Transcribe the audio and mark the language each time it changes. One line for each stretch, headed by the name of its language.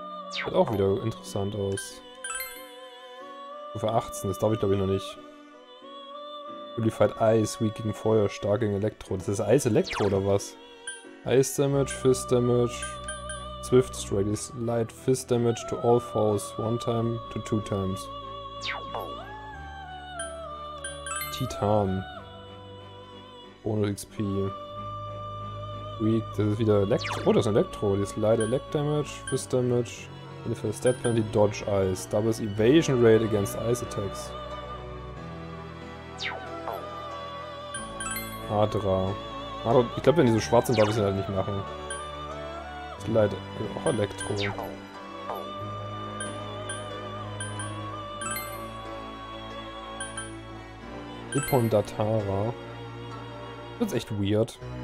German: Sieht auch wieder interessant aus. Stufe 18, das darf ich glaube ich noch nicht. Nullified Ice, weak gegen Feuer, stark gegen Elektro. Das ist Eis Elektro oder was?
English: Ice Damage, Fist Damage. Swift Strike is light fist damage to all foes one time to two times. Titan. Bonus XP.
German: Weak, das ist wieder Elektro. Oh, das ist ein Elektro. Das ist
English: light elect damage, fist damage. And if a stat penalty, dodge ice. Doubles evasion rate against ice attacks.
German: Adra. Adra, ich glaube, wenn die so schwarz sind, darf ich sie halt nicht machen. Leider auch Elektro. Upon Datara. Das ist echt weird.